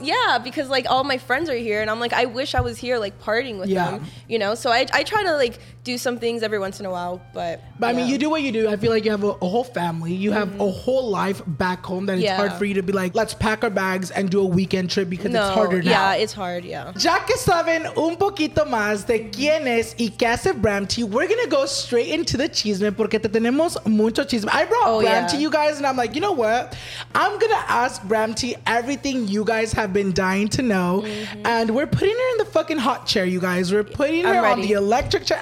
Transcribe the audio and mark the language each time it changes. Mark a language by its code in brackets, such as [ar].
[en] Yeah, because like all my friends are here and I'm like, I wish I was here like partying with them, you know? So I try to like do some things every once in a while, but. But I mean, you do what you do. I feel like you have a whole family. You have a whole life back home that it's hard for you to be like, let's pack our bags and do a weekend trip because it's harder now. Yeah, it's hard, yeah. [es] Ya que saben un poquito más de quién es y qué hace Bramty, [en] we're going to go straight into the [es] chisme porque te tenemos mucho chisme. [en] I brought Bramty, you guys, and I'm like, you know what? I'm going to ask Bramty everything you guys have been dying to know. Mm-hmm. And we're putting her in the fucking hot chair, you guys. We're putting her on the electric chair.